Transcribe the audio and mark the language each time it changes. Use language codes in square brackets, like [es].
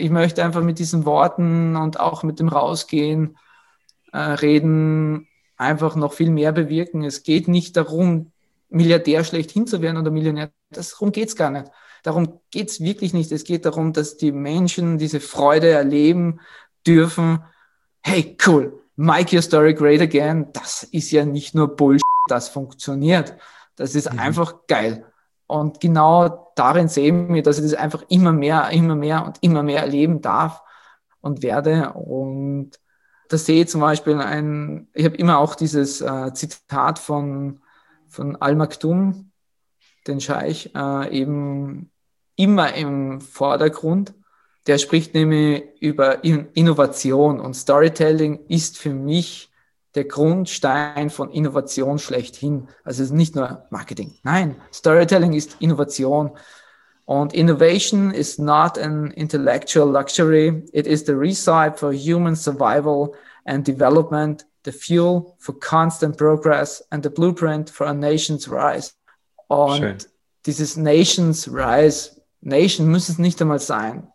[de] Ich möchte einfach mit diesen Worten und auch mit dem Rausgehen reden, einfach noch viel mehr bewirken. Es geht nicht darum, Milliardär schlechthin zu werden oder Millionär, darum geht es gar nicht. Darum geht es wirklich nicht. Es geht darum, dass die Menschen diese Freude erleben dürfen. [en] Hey, cool, make your story great again. [de] Das ist ja nicht nur Bullshit. Das funktioniert. Das ist einfach geil. Und genau darin sehen wir, dass ich das einfach immer mehr und immer mehr erleben darf und werde. Und da sehe ich zum Beispiel ich habe immer auch dieses Zitat von Al-Maktoum, den Scheich, eben immer im Vordergrund. Der spricht nämlich über Innovation und Storytelling ist für mich der Grundstein von Innovation schlechthin. Also es ist nicht nur Marketing. Nein, Storytelling ist Innovation. [en] Und Innovation is not an intellectual luxury. It is the recipe for human survival and development, the fuel for constant progress and the blueprint for a nation's rise. [de] Und dieses Nation's Rise, Nation muss es nicht einmal sein.